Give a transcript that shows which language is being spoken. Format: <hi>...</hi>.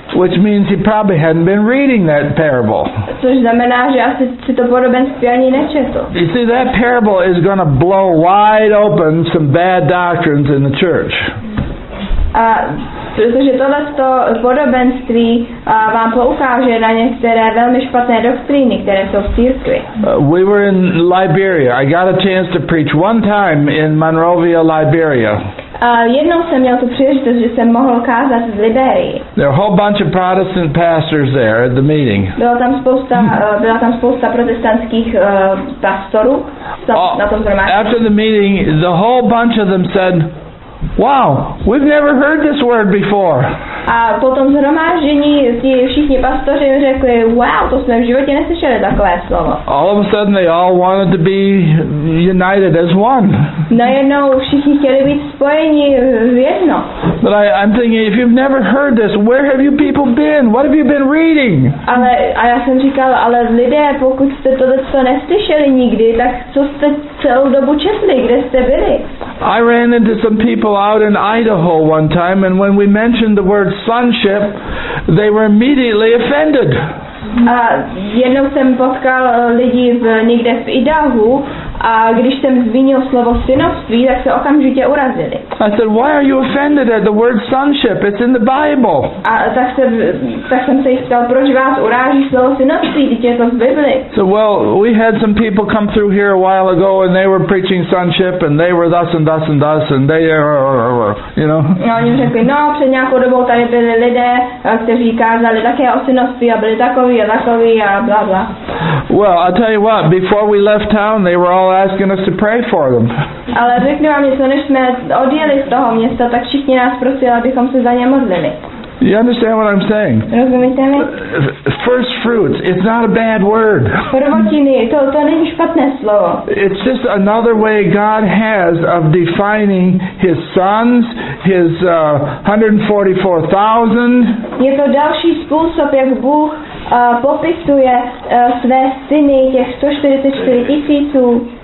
<en>Which means he probably hadn't been reading that parable.</en> <cs>Což znamená, že asi si to podobenství ani nečetl.</cs> <en>You see, that parable is going to blow wide open some bad doctrines in the church.</en> <cs>A protože tohleto podobenství vám poukáže na některé velmi špatné doktríny, které jsou v církvi.</cs> <en>We were in Liberia. I got a chance to preach one time in Monrovia, Liberia.</en> <cs>Jednou jsem měl tu příležitost, že jsem mohl kázat z Liberii.</cs> <en>There were a whole bunch of Protestant pastors there at the meeting.</en> <cs>Byla tam spousta protestantských pastorů na tom zhromáždění.</cs> <en>After the meeting, the whole bunch of them said, wow, we've never heard this word before.</en> <cs>A po tom zhromáždění ti všichni pastoři řekli, wow, to jsme v životě neslyšeli takové slovo.</cs> <en>All of a sudden they all wanted to be united as one.</en> <cs>Najednou všichni chtěli být spojeni v jedno.</cs> <en>But I'm thinking, if you've never heard this, where have you people been? What have you been reading?</en> <cs>Ale a já jsem říkal, ale lidé, pokud jste tohleto neslyšeli nikdy, tak co jste celou dobu četli, kde jste byli?</cs> <en>I ran into some people out in Idaho one time, and when we mentioned the word sonship, they were immediately offended.</en> <cs>Jednou jsem potkal lidi někde v Idahu, a když jsem zmínil slovo synovství, tak se okamžitě urazili.</cs> <en>I said, why are you offended at the word sonship? It's in the Bible.</en> <cs>Tak jsem se jich ptal, proč vás uráží slovo synovství, když je to v Bibli.</cs> <en>So, well, we had some people come through here a while ago, and they were preaching sonship, and they were thus and thus and thus, and they, you know.</en> <cs>No, oni řekli, no, před nějakou dobou tady byli lidé, kteří kázali také o synovství a byli takový, blah, blah.</cs> <en>Well, I'll tell you what, before we left town, they were all asking us to pray for them.</en> <cs>Ale řeknu vám, že než jsme odjeli z toho města, tak všichni nás prosili, abychom se za ně modlili.</cs> <en>You understand what I'm saying?</en> <cs>Rozumíte mi?</cs> <en>First fruits, it's not a bad word.</en> <cs>Prvotiny, to není špatné slovo.</cs> <en>It's just another way God has of defining his sons, his 144,000.</en> <cs>Je to další způsob, jak Bůh popisuje své syny, těch 144 tisíců.</cs>